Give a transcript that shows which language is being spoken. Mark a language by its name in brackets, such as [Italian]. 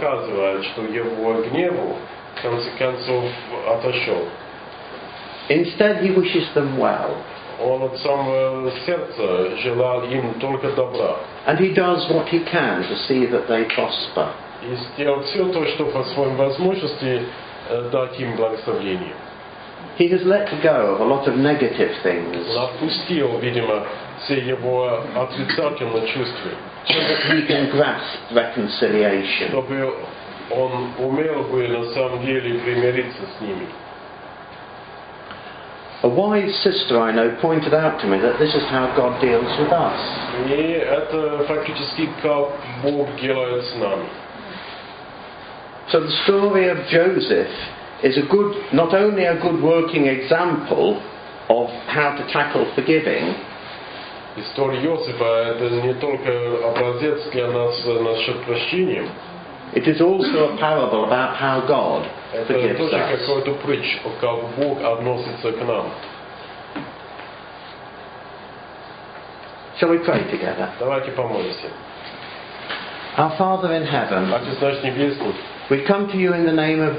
[Russian] Показывает, что его гнев в конце концов отошел. [English] Instead, he wishes them well. [Russian] Он от самого сердца желал им только добра. [English] And he does what he can to see that they prosper. [Russian] И сделал все то, что по своим возможности дать им благословение. [English] He has let go of a lot of negative things. [Russian] Он отпустил, видимо, все его отрицательные чувства. [English] So that he can grasp reconciliation. [Russian] Чтобы он умел бы на самом деле примириться с ними. [English] A wise sister I know pointed out to me that this is how God deals with us. [Russian] И это фактически как Бог делает с нами. [English] So the story of Joseph is a good, not only a good working example of how to tackle forgiving. [Russian] История Иосифа это не только образец для нас насчет прощения. [English] It is also a parable about how God forgives us. Shall we pray together? [Russian] Давайте помолимся. [English] Our Father in heaven, we come to you in the name of